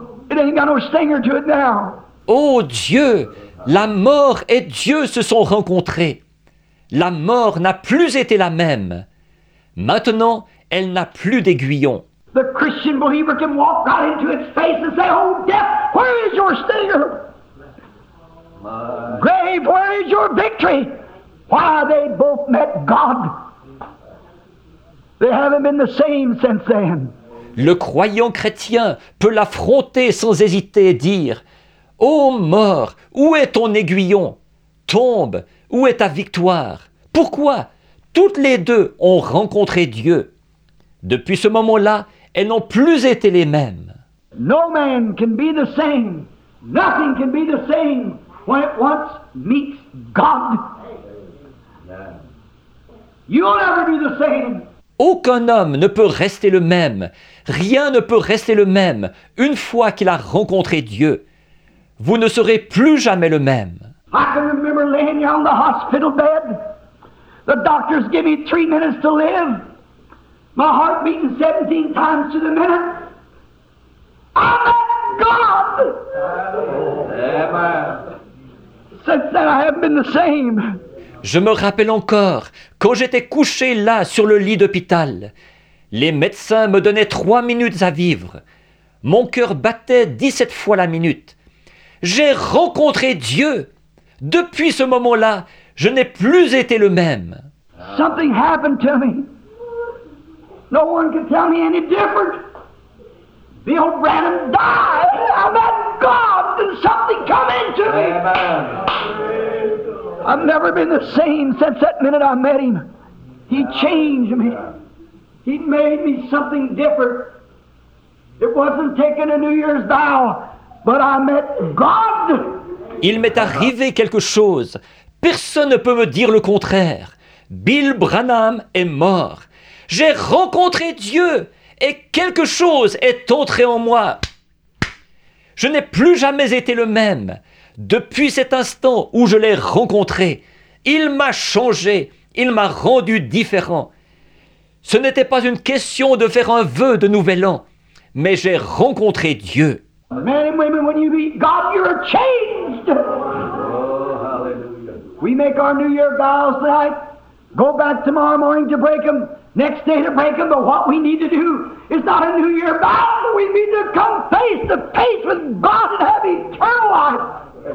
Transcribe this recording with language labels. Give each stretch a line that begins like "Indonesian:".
English: It ain't got no stinger to it now.
French: Oh Dieu, la mort et Dieu se sont rencontrés. La mort n'a plus été la même. Maintenant, elle n'a plus d'aiguillon.
English: The Christian believer can walk right into its face and say, oh death, where is your stinger? Grave, where is your victory? Why, they both met God. They haven't been the same since then.
French: Le croyant chrétien peut l'affronter sans hésiter et dire, ô mort, où est ton aiguillon? Tombe, où est ta victoire? Pourquoi? Toutes les deux ont rencontré Dieu. Depuis ce moment-là, elles n'ont plus été les mêmes.
English: No man can be the same. Nothing can be the same when it once meets God. You'll never be the same.
French: Aucun homme ne peut rester le même. Rien ne peut rester le même une fois qu'il a rencontré Dieu. Vous ne serez plus jamais le même.
English: I can remember laying on the hospital bed. The doctors give me 3 minutes to live. My heart beating 17 times to the minute. I met God. Amen. Since then, I haven't been the same.
French: Je me rappelle encore quand j'étais couché là sur le lit d'hôpital. Les médecins me donnaient 3 minutes à vivre. Mon cœur battait 17 fois la minute. J'ai rencontré Dieu. Depuis ce moment-là, je n'ai plus été le même.
English: Something happened to me. No one can tell me any different. Bill Branham died. I met God and something come into me. Amen. I've never been the same since that minute I met him. He changed me. He made me something different. It wasn't taking a New Year's vow, but I met God.
French: Il m'est arrivé quelque chose. Personne ne peut me dire le contraire. Bill Branham est mort. J'ai rencontré Dieu et quelque chose est entré en moi. Je n'ai plus jamais été le même. Depuis cet instant où je l'ai rencontré, il m'a changé, il m'a rendu différent. Ce n'était pas une question de faire un vœu de nouvel an, mais j'ai rencontré Dieu.
English: Men and women, when you meet God, you're changed. Oh, hallelujah. We make our New Year vows tonight. Go back tomorrow morning to break them. Next day to break them. But what we need to do is not a New Year vow. We need to come face to face with God and have eternal life.